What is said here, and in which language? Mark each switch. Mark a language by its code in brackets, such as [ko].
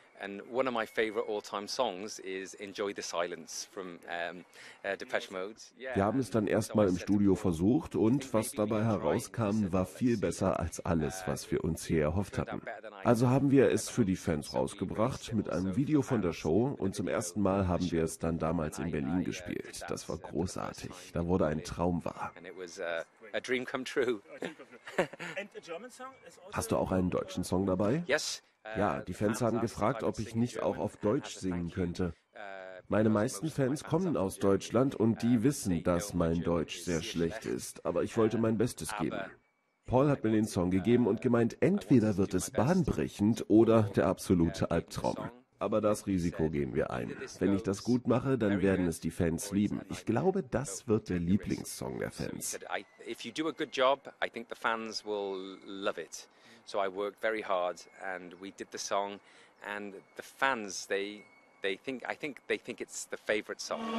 [en] And one of my favorite all-time songs is Enjoy the Silence from Depeche Mode. [de] Wir haben es dann erstmal im Studio versucht und was dabei herauskam, war viel besser als alles, was wir uns hier erhofft hatten. Also haben wir es für die Fans rausgebracht mit einem Video von der Show und zum ersten Mal haben wir es dann damals in Berlin gespielt. Das war großartig. Da wurde ein Traum wahr. [en] A dream come true. [de] Hast du auch einen deutschen Song dabei? Ja, die Fans haben gefragt, ob ich nicht auch auf Deutsch singen könnte. Meine meisten Fans kommen aus Deutschland und die wissen, dass mein Deutsch sehr schlecht ist, aber ich wollte mein Bestes geben. Paul hat mir den Song gegeben und gemeint, entweder wird es bahnbrechend oder der absolute Albtraum. Aber das Risiko gehen wir ein. Wenn ich das gut mache, dann werden es die Fans lieben. Ich glaube, das wird der Lieblingssong der Fans. [en] If you do a good job, I think the fans will love it. So I worked very hard and we did the song and the fans, they think it's the favorite song.